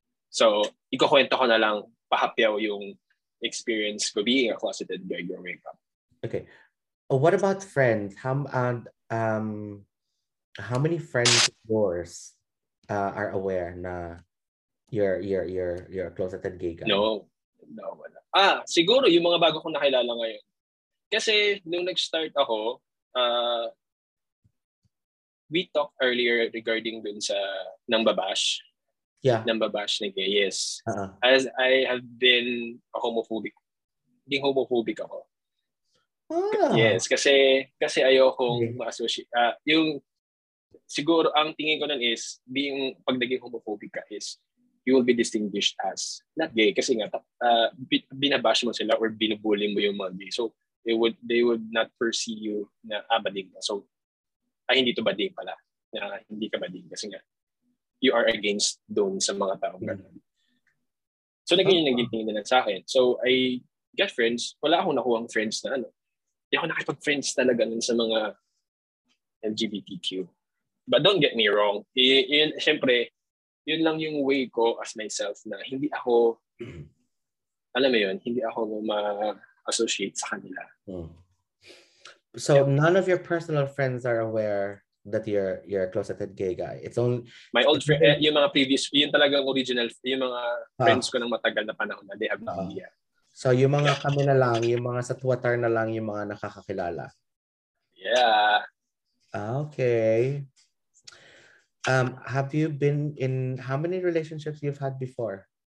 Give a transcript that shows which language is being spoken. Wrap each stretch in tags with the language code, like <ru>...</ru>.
<tl>So, ikukwento ko na lang pahapyaw yung experience ko</tl> <en>being a closeted gay growing up. Okay. What about friends? How many friends of yours are aware na you're a closeted gay guy? No. No, wala.</en> <tl>Ah, siguro yung mga bago kong nakilala ngayon. Kasi nung nag-start ako,</tl> <en>we talked earlier regarding</en> <tl>dun sa nambabash.</tl> <en>Yeah.</en> <tl>Nambabash ni gay. Yes. Uh-huh.</tl> <en>As I have been a homophobic.</en> <tl>Naging homophobic ako. Ah. Yes, kasi ayokong ma-associate. Yung siguro ang tingin ko nun is being pag naging homophobic ka is</tl> <en>you will be distinguished as not gay</en> <tl>kasi nga binabash mo sila or binubully mo yung mga gay.</tl> <en>So they would not perceive you</en> <tl>na abading ka. So ay hindi to bading pala. Na hindi ka bading kasi nga</tl> <en>you are against</en> <tl>doon sa mga taong ganun. So naging yung naging tingin nila sa akin.</tl> <en>So I got friends.</en> <tl>Wala akong nakuhang friends na ano. Hindi ako nakipag-friends talaga nun sa mga LGBTQ.</tl> <en>But don't get me wrong.</en> <tl>Siyempre, yun lang yung way ko as myself na hindi ako, alam mo yun, hindi ako ma-associate sa kanila. Hmm. So, yeah.</tl> <en>None of your personal friends are aware that you're a closeted gay guy? It's only... My old friend,</en> <tl>yung mga previous, yun talagang original, yung mga friends ko ng matagal na panahon na</tl> <en>they have no idea.</en> <tl>So, yung mga kami na lang, yung mga sa Twitter na lang, yung mga nakakakilala.</tl> <en>Yeah. Okay. Have you been in, how many relationships you've had before?</en>